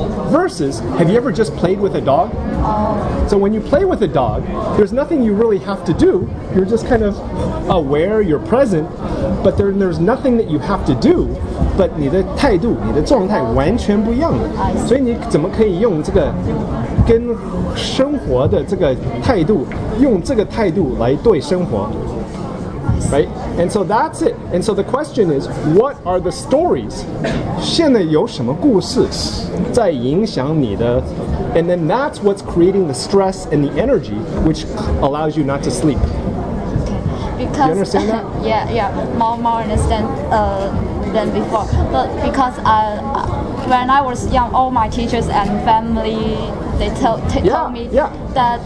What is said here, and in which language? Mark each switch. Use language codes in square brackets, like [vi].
[en] Versus, have you ever just played with a dog? So when you play with a dog, there's nothing you really have to do. You're just kind of aware, you're present, but there's nothing that you have to do, but [zh] 你的态度你的状态完全不一样。所以你怎么可以用这个跟生活的这个态度用这个态度来对生活? [en] Right? And so that's it. And so the question is, what are the stories? [zh] 现在有什么故事在影响你的? [en] And then that's what's creating the stress and the energy, which allows you not to sleep. Because, you understand that? Yeah, more understand than before. But because when I was young, all my teachers and family, they told me that.